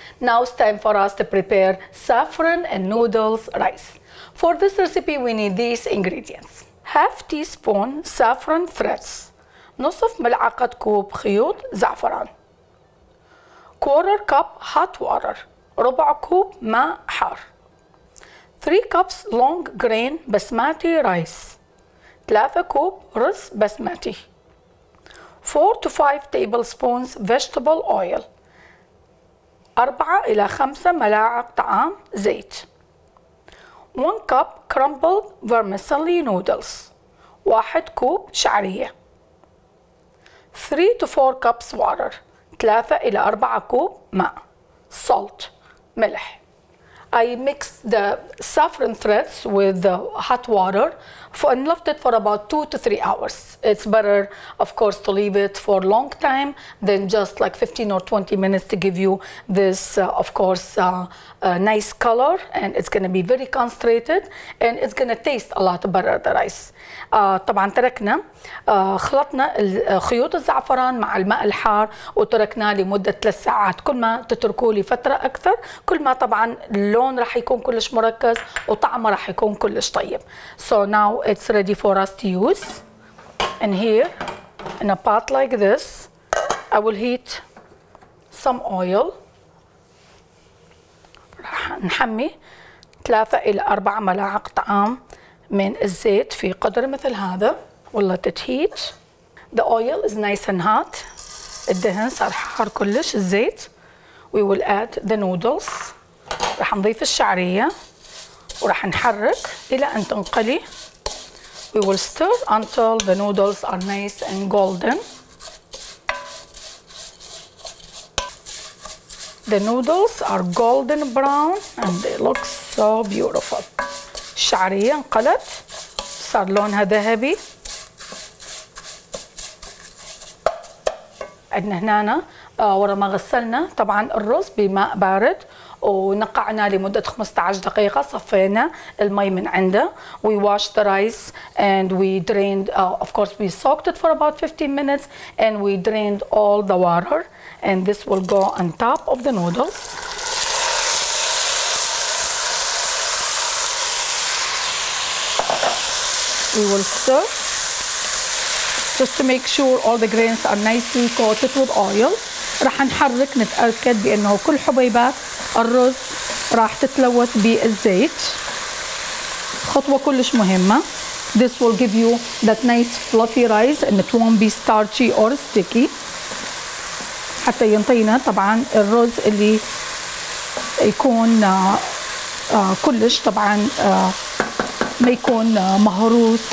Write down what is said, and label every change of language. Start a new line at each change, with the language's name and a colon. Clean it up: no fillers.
English: Now it's time for us to prepare saffron and noodles rice. For this recipe we need these ingredients. 1/2 teaspoon saffron fresh.
Arabic: نصف ملعقة كوب خيوط زعفران.
English: 1/4 cup hot water.
Arabic: ربع كوب ماء حار.
English: 3 cups long grain basmati rice.
Arabic: 3 كوب رز بسمتي.
English: 4 to 5 tablespoons vegetable oil.
Arabic: 4 إلى 5 ملاعق طعام زيت.
English: 1 cup crumbled vermicelli noodles.
Arabic: 1 كوب شعرية.
English: 3 to 4 cups water.
Arabic: 3 إلى 4 كوب ماء. Salt. ملح.
English: I mixed the saffron threads with the hot water and left it for about 2 to 3 hours. It's better, of course, to leave it for a long time than just like 15 or 20 minutes to give you this, nice color. And it's going to be very concentrated and it's going to taste a lot better, the rice.
Arabic: طبعا تركنا خلطنا خيوط الزعفران مع الماء الحار وتركنا لمدة 3 ساعات. كل ما تتركوه لفترة أكثر كل ما طبعا اللون رح يكون كلش مركز وطعمه رح يكون كلش طيب.
English: So now it's ready for us to use. And here in a pot like this I will heat some oil.
Arabic: رح نحمي 3 إلى 4 ملاعق طعام من الزيت في قدر مثل هذا.
English: We'll let it heat. The oil is nice and hot.
Arabic: الدهن صار حار كلش الزيت.
English: We will add the noodles.
Arabic: رح نضيف الشعرية ورح نحرك إلى أن تنقلي.
English: We will stir until the noodles are nice and golden. The noodles are golden brown and they look so beautiful.
Arabic: الشعرية انقلت صار لونها ذهبي. عندنا هنا ورا ما غسلنا طبعا الرز بماء بارد ونقعنا لمدة 15 دقيقة. صفينا المي من عنده.
English: We washed the rice and we drained, of course we soaked it for about 15 minutes and we drained all the water. And this will go on top of the noodles. We will stir just to make sure all the grains are nicely coated with oil.
Arabic: رح نحرك نتأكد بأنه كل حبيبات الرز راح تتلوث بالزيت. خطوة كلش مهمة.
English: This will give you that nice fluffy rice and it won't be starchy or sticky.
Arabic: حتى ينطينا طبعا الرز اللي يكون كلش طبعا ما يكون مهروس.